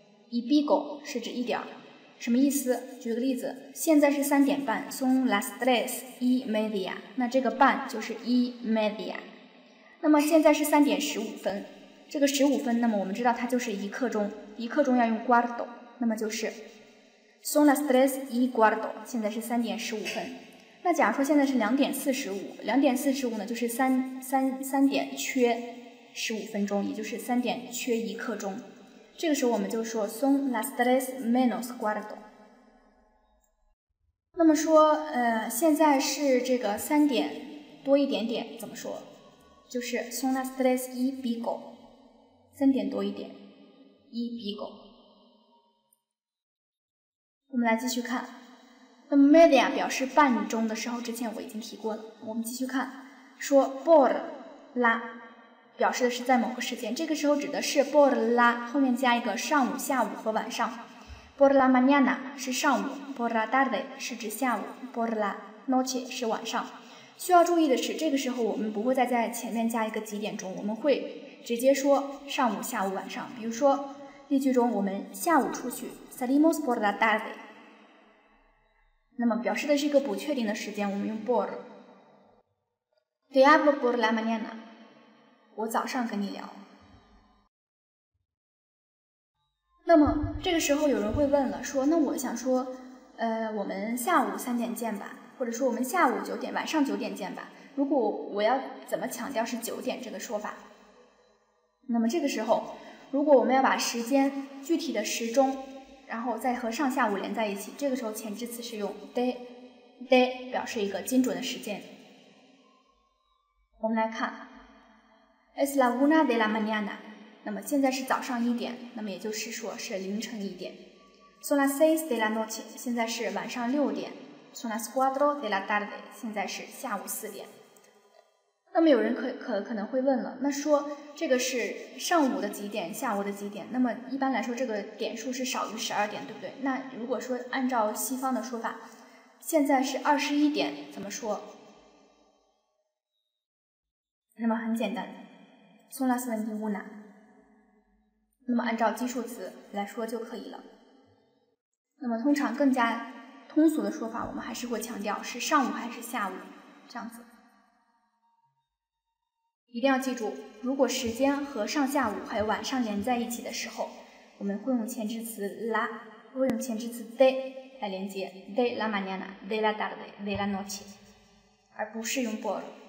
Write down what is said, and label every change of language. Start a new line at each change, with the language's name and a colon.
Chinese: y pico 是指一点，什么意思？举个例子，现在是三点半
Spanish: son las tres y media，
Chinese: 那这个半就是 y media。那么现在是三点十五分，这个十五分，那么我们知道它就是一刻钟，一刻钟要用 cuarto， 那么就是
Spanish: Son las tres y cuarto，
Chinese: 现在是三点十五分。那假如说现在是两点四十五，两点四十五呢，就是三点缺十五分钟，也就是三点缺一刻钟。这个时候我们就说
Spanish: Son las tres menos cuarto。
Chinese: 那么说，现在是这个三点多一点点，怎么说？
Spanish: 就是 Son las tres y pico，
Chinese: 三点多一点
Spanish: ，y pico。
Chinese: 我们来继续看，那么 media 表示半钟的时候，之前我已经提过了。我们继续看，说 por la 表示的是在某个时间，这个时候指的是 por la 后面加一个上午、下午和晚上。
Spanish: por la mañana 是上午 ，por la tarde
Chinese: 是指下午
Spanish: ，por la noche 是晚上。
Chinese: 需要注意的是，这个时候我们不会再在前面加一个几点钟，我们会直接说上午、下午、晚上。比如说例句中，我们下午出去 ，
Spanish: salimos por la tarde。
Chinese: 那么表示的是一个不确定的时间，我们用 por。
Spanish: Te hablo por la mañana，
Chinese: 我早上跟你聊。那么这个时候有人会问了，说那我想说，我们下午三点见吧，或者说我们下午九点、晚上九点见吧。如果我要怎么强调是九点这个说法？那么这个时候，如果我们要把时间具体的时钟，然后再和上下午连在一起，这个时候前置词是用 day 表示一个精准的时间。我们来看
Spanish: ，es la una de la mañana。
Chinese: 那么现在是早上一点，那么也就是说是凌晨一点。
Spanish: Son las seis de la noche，
Chinese: 现在是晚上六点。
Spanish: Son las cuatro de la tarde，
Chinese: 现在是下午四点。那么有人可能会问了，那说这个是上午的几点，下午的几点？那么一般来说这个点数是少于十二点，对不对？那如果说按照西方的说法，现在是二十一点，怎么说？那么很简单 ，
Spanish: Son las veintiuna。
Chinese: 那么按照基数词来说就可以了。那么通常更加通俗的说法，我们还是会强调是上午还是下午，这样子。一定要记住，如果时间和上下午还有晚上连在一起的时候，我们会用前置词 la， 会用前置词 de 来连接 de la mañana， de la tarde， de la noche， 而不是用 por。